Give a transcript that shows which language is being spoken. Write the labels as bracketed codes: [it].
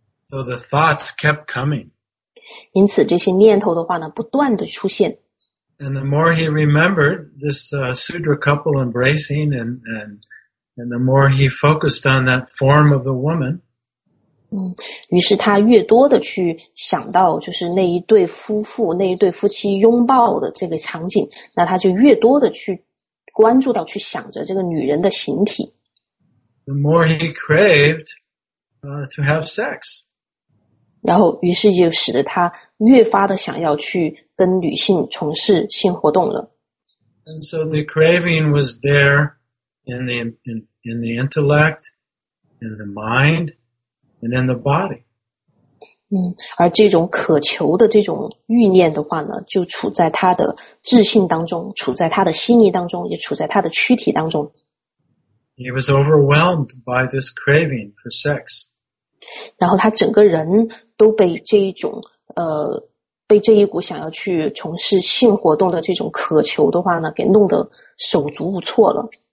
[en] So the thoughts kept coming. [zh] 因此这些念头的话呢不断地出现。 [en] And the more he remembered this Sudra couple embracing and the more he focused on that form of the woman, [zh] 于是他越多地去想到就是那一对夫妇那一对夫妻拥抱的这个场景那他就越多地去关注到去想着这个女人的形体。 [en] The more he craved, to have sex. [zh] 然后于是就使得他越发的想要去跟女性从事性活动了。 [en] And so the craving was there in the intellect, in the mind, and in the body. [zh] 而这种渴求的这种欲念的话呢就处在他的智性当中处在他的心意当中也处在他的躯体当中。 [en] He was overwhelmed by this craving for sex. [zh] 然后他整个人都被这一种被这一股想要去从事性活动的这种渴求的话呢给弄得手足无措了。